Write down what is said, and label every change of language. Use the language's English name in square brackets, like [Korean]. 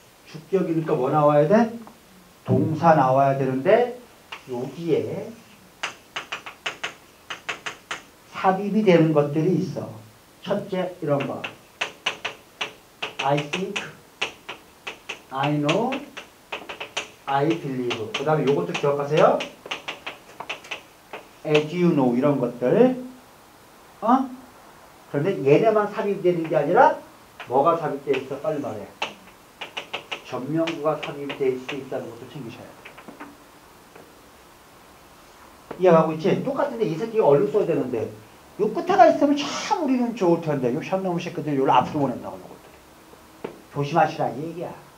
[Korean] 주격이니까 뭐 나와야 돼? 동사 나와야 되는데, 여기에 삽입이 되는 것들이 있어. 첫째, 이런 거. [English] I think, I know, I believe. [Korean] 그 다음에 요것도 기억하세요. [English] As you know, [Korean] 이런 것들. 어? 그런데 얘네만 삽입되는 게 아니라, 뭐가 삽입되어 있어? 빨리 말해. 전명구가 삽입될 수 있다는 것도 챙기셔야 돼. 이해하고 있지? 똑같은데, 이 새끼가 얼른 써야 되는데, 요 끝에가 있으면 참 우리는 좋을 텐데, 요 샵놈의 새끼들 요를 앞으로 보낸다고, 요것들. 조심하시라, 이 얘기야.